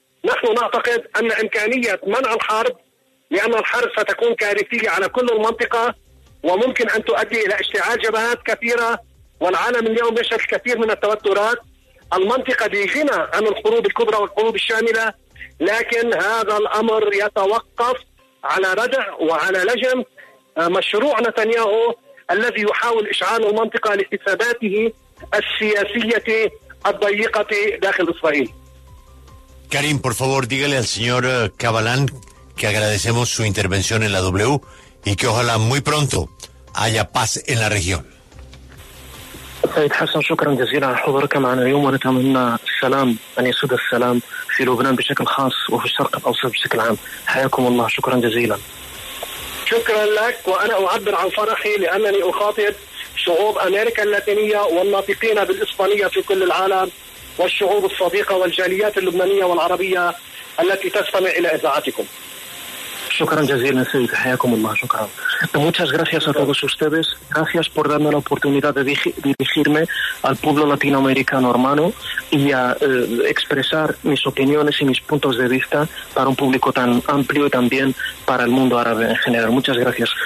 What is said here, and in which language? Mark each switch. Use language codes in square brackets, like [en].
[ar] نحن نعتقد أن إمكانية منع الحرب، لأن الحرب ستكون كارثية على كل المنطقة وممكن أن تؤدي إلى اشتعال جبهات كثيرة، والعالم اليوم يشهد الكثير من التوترات، المنطقة بغنى عن الحروب الكبرى والحروب الشاملة، لكن هذا الأمر يتوقف على ردع وعلى لجم مشروع نتنياهو الذي يحاول إشعال المنطقة لحساباته السياسية داخل إسرائيل. [es] Karim, por favor, dígale al señor Cabalán que agradecemos su intervención en la W y que ojalá muy pronto haya paz en la región. [ar] شعوب أمريكا اللاتينية والناطقين بالإسبانية في كل العالم والشعوب الصديقة والجاليات اللبنانية والعربية التي تستمع إلى إذاعتكم. شكرا جزيلا سيد، حياكم الله. شكرا. [es] Muchas gracias a todos ustedes. Gracias por darme la oportunidad de dirigirme al pueblo latinoamericano hermano y a expresar mis opiniones y mis puntos de vista para un público tan amplio y también para el mundo árabe en general. Muchas gracias.